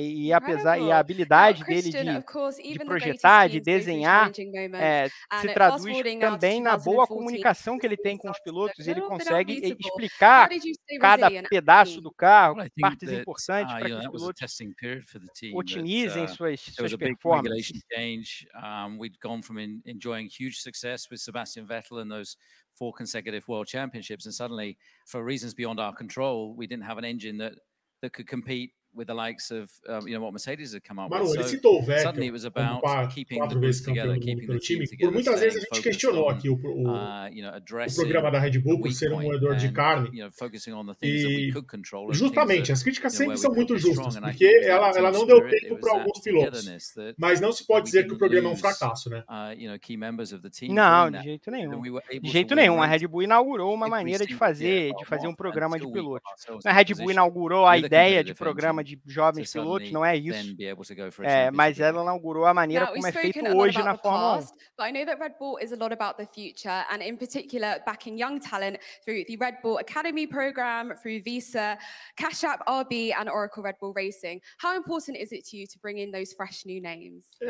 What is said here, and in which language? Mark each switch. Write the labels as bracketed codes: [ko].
[pt] E apesar e a habilidade dele de projetar, de desenhar, se traduz também na boa comunicação que ele tem com os pilotos. Ele consegue explicar cada pedaço do carro, partes importante para que os pilotos otimizem suas performances. [en] We'd gone from enjoying huge success with Sebastian Vettel and those four consecutive world championships, and suddenly, for reasons beyond our control, we didn't have an engine that could compete with the likes of you know, what Mercedes had come up [pt] Manu, [en] with. [pt] Ele citou o Vettel, [en] suddenly it was about keeping the group together, keeping the team together. [pt] Por muitas vezes a gente questionou aqui o programa da Red Bull por ser um moedor de carne. [en] You know, focusing on the things that we could control, [pt] justamente, as críticas sempre são muito justas, porque ela não deu tempo para alguns pilotos. Mas não se pode dizer que o programa é um fracasso, né? Não, de jeito nenhum. De jeito nenhum. A Red Bull inaugurou uma maneira de fazer um programa de pilotos. A Red Bull inaugurou a ideia de programa de jovens pilotos, não é isso. Mas ela inaugurou a maneira como é feito hoje na Fórmula 1. [en] But I know that Red Bull is a lot about the future, and in particular backing young talent through the Red Bull Academy program, through Visa, Cash App, RB, and Oracle Red Bull Racing. How important is it to you to bring in those fresh new names?